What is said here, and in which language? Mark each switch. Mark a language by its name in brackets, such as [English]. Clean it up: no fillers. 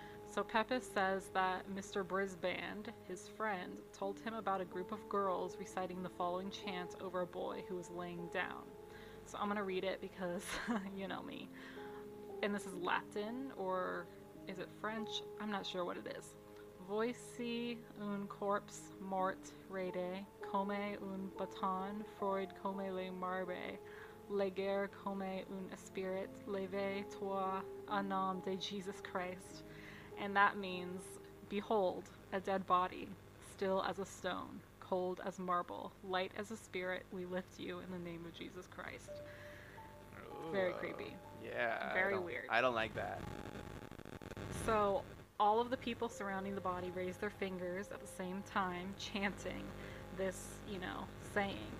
[English] So Pepys says that Mr. Brisband, his friend, told him about a group of girls reciting the following chant over a boy who was laying down. So I'm going to read it because you know me. And this is Latin, or is it French? I'm not sure what it is. [French] Voici un corpse mort raide, come un bâton, froid comme le marbre, léger comme un esprit, levez-toi en nom de Jesus Christ. [English] And that means, behold, a dead body, still as a stone, cold as marble, light as a spirit, we lift you in the name of Jesus Christ. Ooh, very creepy. Yeah. Very weird. I don't like that. So, all of the people surrounding the body raised their fingers at the same time, chanting this, you know, saying.